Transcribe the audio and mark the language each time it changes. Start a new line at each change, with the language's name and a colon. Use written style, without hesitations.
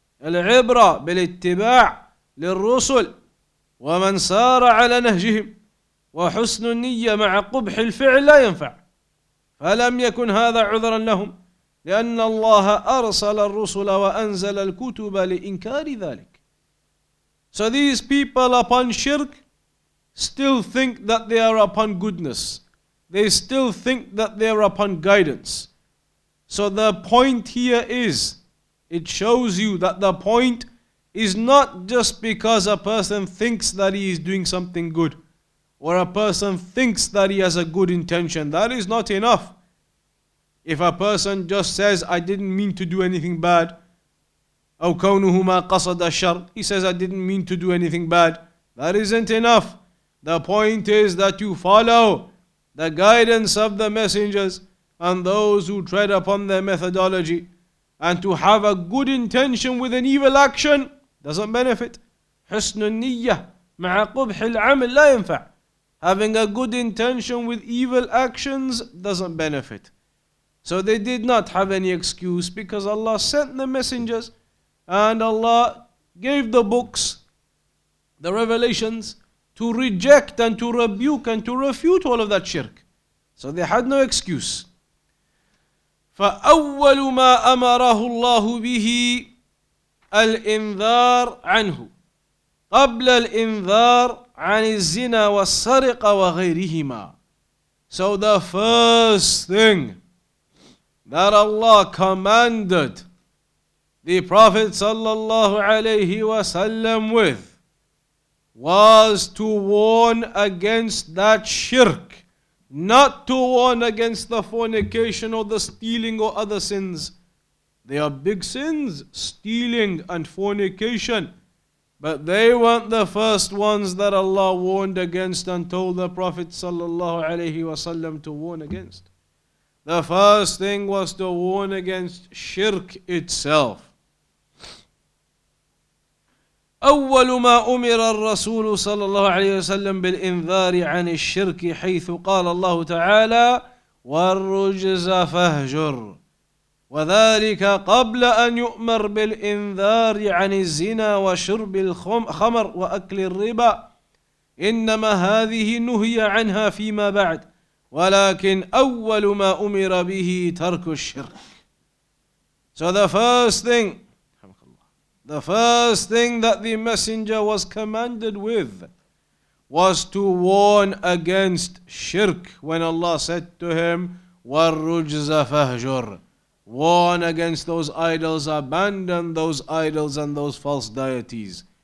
Arabic: العبرة بالاتباع للرسل ومن سار على نهجهم وحسن النية مع قبح الفعل لا ينفع. فلم يكن هذا عذرا لهم لأن الله أرسل الرسل وأنزل الكتب لإنكار ذلك.
English: So these people upon shirk still think that they are upon goodness. They still think that they are upon guidance. So the point here is, it shows you that the point is not just because a person thinks that he is doing something good, or a person thinks that he has a good intention. That is not enough. If a person just says, I didn't mean to do anything bad, أو كونه ما قصد الشر, he says, I didn't mean to do anything bad, that isn't enough. The point is that you follow the guidance of the messengers and those who tread upon their methodology, and to have a good intention with an evil action doesn't benefit.
Arabic: حسن النية مع قبح العمل لا ينفع.
English: Having a good intention with evil actions doesn't benefit. So they did not have any excuse, because Allah sent the messengers and Allah gave the books, the revelations, to reject and to rebuke and to refute all of that shirk. So they had no excuse.
Arabic: فأول ما أمره الله به الإنذار عنه قبل الإنذار عن الزنا والسرقة وغيرهما.
English: So the first thing that Allah commanded the Prophet sallallahu alayhi wasallam with was to warn against that shirk, not to warn against the fornication or the stealing or other sins. They are big sins, stealing and fornication, but they weren't the first ones that Allah warned against and told the Prophet sallallahu alayhi wasallam to warn against. The first thing was to warn against shirk itself.
Arabic: أول ما أمر الرسول صلى الله عليه وسلم بالإنذار عن الشرك حيث قال الله تعالى والرجز فهجر وذلك قبل أن يؤمر بالإنذار عن الزنا وشرب الخمر وأكل الربا إنما هذه نهي عنها فيما بعد ولكن أول ما أمر به ترك الشرك.
English: So the first thing that the messenger was commanded with was to warn against shirk when Allah said to him, وَالرُّجْزَ فَهْجُرْ. Warn against those idols, abandon those idols and those false deities.